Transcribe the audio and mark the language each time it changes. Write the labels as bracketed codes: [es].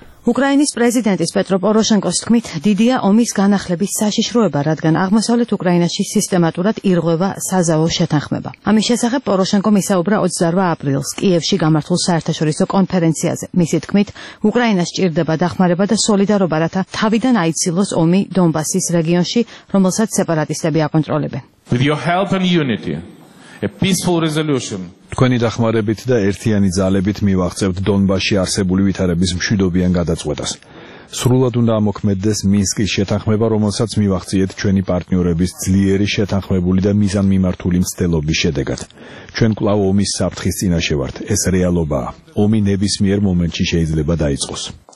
[ka] უკრაინის პრეზიდენტის პეტრო პოროშენკოს თქმით, დიდია ომის განახლების საშიშროება, რადგან აღმოსავლეთ უკრაინაში სისტემატურად ირღვევა საზავო შეთანხმება. ამის შესახებ პოროშენკო მისაუბრა 28 აპრილს კიევში გამართულ საერთაშორისო კონფერენციაზე. მისი თქმით, უკრაინას სჭირდება დახმარება და სოლიდარობა, რათა თავიდან აიცილოს ომი დონბასის რეგიონში, რომელსაც სეპარატისტები აკონტროლებენ. [en] With your help and unity, a peaceful resolution. [ka] თქვენი დახმარებით და ერთიანი ძალებით მივაღწევთ დონბასში არსებული ვითარების მშვიდობიან გადაწყვეტას. სრულად უნდა მოქმედდეს მინსკის შეთანხმება, რომელსაც მივაღწიეთ ჩვენი პარტნიორების ძლიერი შეთანხმებული და მიზანმიმართული მცდელობის შედეგად. ჩვენ კვლავ ომის საფრთხის წინაშე ვართ. ეს რეალობაა. ომი ნებისმიერ მომენტში შეიძლება დაიწყოს.